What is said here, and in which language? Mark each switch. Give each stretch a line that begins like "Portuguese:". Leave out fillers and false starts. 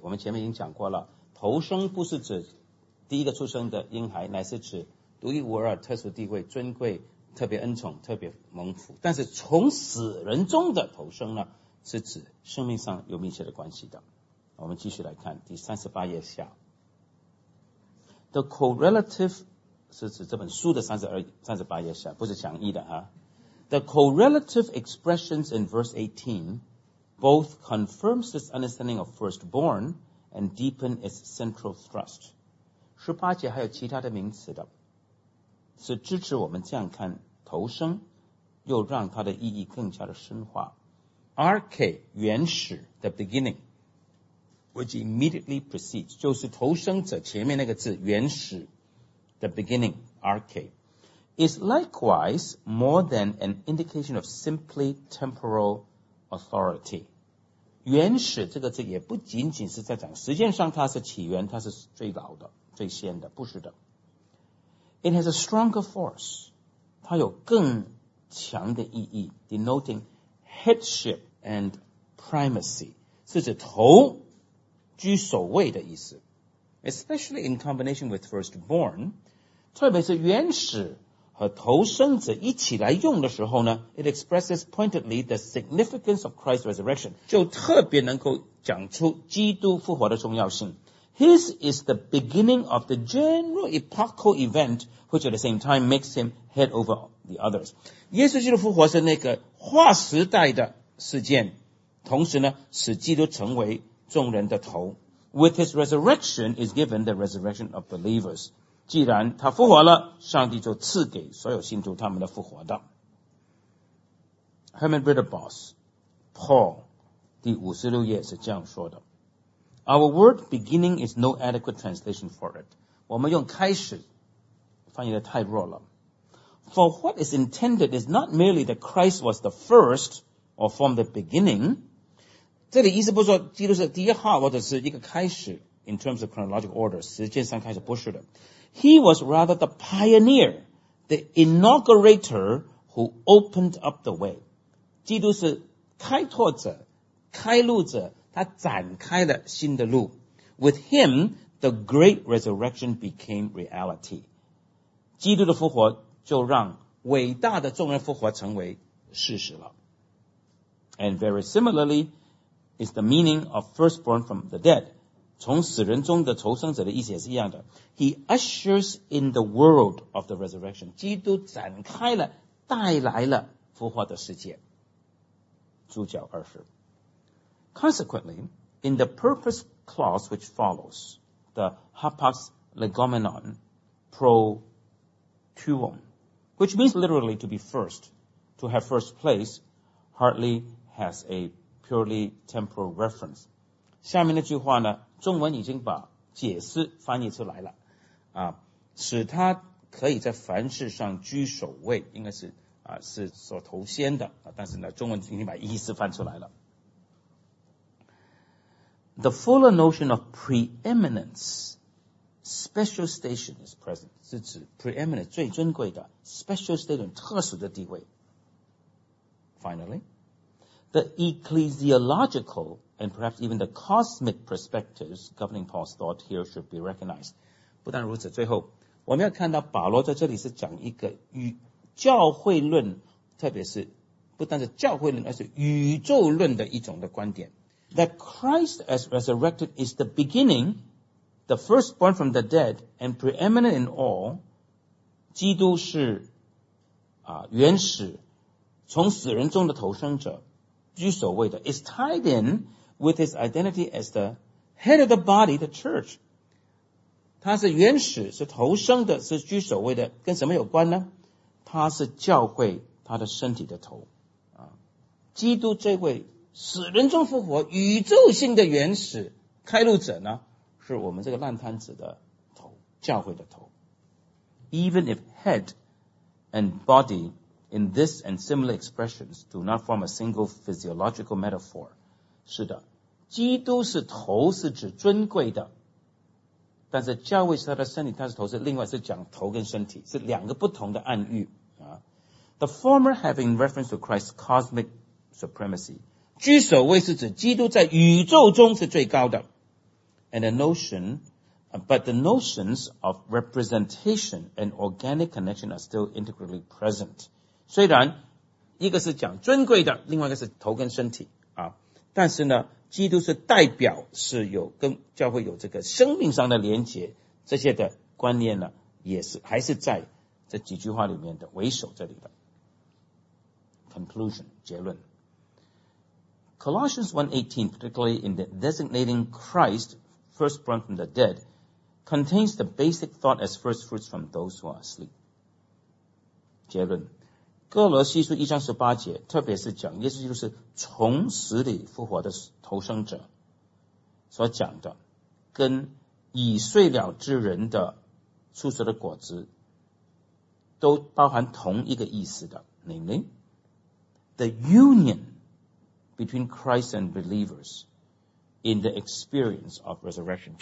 Chinese: 我们前面已经讲过了，头生不是指第一个出生的婴孩，乃是指独一无二、特殊地位、尊贵、特别恩宠、特别蒙福。但是从死人中的头生呢，是指生命上有密切的关系的。我们继续来看第三十八页下 ，
English: The correlative
Chinese: 是指这本书的三十八页下，不是讲义的哈。
English: The correlative expressions in verse 18 both confirms this understanding of firstborn and deepen its central thrust.
Chinese: 十八节还有其他的名词的，是支持我们这样看头生，又让它的意义更加的深化。
English: Arche
Chinese: 原始
English: the beginning, which immediately precedes
Chinese: 就是头生者前面那个字原始
English: the beginning Arche. Is likewise more than an indication of simply temporal authority.
Chinese: 原始这个字也不仅仅是在讲，实际上它是起源，它是最老的、最先的，不是的。
English: It has a stronger force.
Chinese: 它有更强的意义
English: ，denoting headship and primacy，
Chinese: 是指头居首位的意思。
English: Especially in combination with firstborn，
Chinese: 特别是原始。和头生者一起来用的时候呢 ，
English: it expresses pointedly the significance of Christ's resurrection，
Chinese: 就特别能够讲出基督复活的重要性。
English: His is the beginning of the general epochal event， which at the same time makes him head over the others。
Chinese: 耶稣基督复活是那个划时代的事件，同时呢，使基督成为众人的头。
English: With his resurrection is given the resurrection of believers。
Chinese: 既然他复活了，上帝就赐给所有信徒他们的复活的。 Herman Ritterboss, Paul, 第56页是这样说的。
English: Our word beginning is no adequate translation for it.
Chinese: 我们用开始翻译的太弱了。
English: For what is intended is not merely that Christ was the first or from the beginning.
Chinese: 这里意思不是说基督是第一号或者是一个开始
English: in terms of chronological order,
Chinese: 时间上开始不是的。
English: He was rather the pioneer, the inaugurator who opened up the way.
Chinese: 基督是开拓者，开路者，他展开了新的路。
English: With him, the great resurrection became reality.
Chinese: 基督的复活就让伟大的众人复活成为事实了。
English: And very similarly, is the meaning of firstborn from the dead.
Chinese: 从死人中的头生者的意思也是一样的。
English: He ushers in the world of the resurrection.
Chinese: 基督展开了，带来了复活的世界。注脚二十。
English: Consequently, in the purpose clause which follows, the hapax legomenon pro tuum, which means literally to be first, to have first place, hardly has a purely temporal reference.
Chinese: 下面那句话呢中文已经把解释翻译出来了使他可以在凡事上居首位，应该是是所头先的但是呢中文已经把意思翻出来了。
English: The fuller notion of preeminence, special station is present,
Chinese: 是指
English: preeminence,
Chinese: 最尊贵的
English: special station,
Chinese: 特殊的地位。
English: Finally, the ecclesiological,And perhaps even the cosmic perspectives governing Paul's thought here should be recognized.
Chinese: 不但如此，最后我们要看到保罗在这里是讲一个与教会论，特别是不但是教会论，而是宇宙论的一种的观点。
English: That Christ as resurrected is the beginning, the firstborn from the dead, and preeminent in all.
Chinese: 基督是原始，从死人中的头生者，居首位的。
English: Is tied in. With his identity as the head of the body, the church.
Chinese: 他是原始，是头生的，是居首位的，跟什么有关呢？他是教会，他的身体的头。基督这位死人中复活，宇宙性的原始开路者呢，是我们这个烂摊子的头，教会的头。
English: even if head and body in this and similar expressions do not form a single physiological metaphor.
Chinese: 是的，基督是头，是指尊贵的。但是教会是他的身体，他是头，是另外是讲头跟身体，是两个不同的暗喻。
English: The former having reference to Christ's cosmic supremacy.
Chinese: 居首位是指基督在宇宙中是最高的。
English: And a notion, but the notions of representation and organic connection are still integrally present.
Chinese: 虽然一个是讲尊贵的，另外一个是头跟身体啊，但是呢，基督是代表，是有跟教会有这个生命上的连结，这些的观念呢，也是还是在这几句话里面的为首这里的。
English: Conclusion, 结论。 Colossians 1:18, particularly in the designating Christ, first born from the dead, contains the basic thought as first fruits from those who are asleep.
Chinese: 结论。哥罗西书一章十八节，特别是讲耶稣基督是从死里复活的头生者，所讲的跟已睡了之人的出世的果子，都包含同一个意思的 ，
English: namely the union between Christ and believers in the experience of resurrection，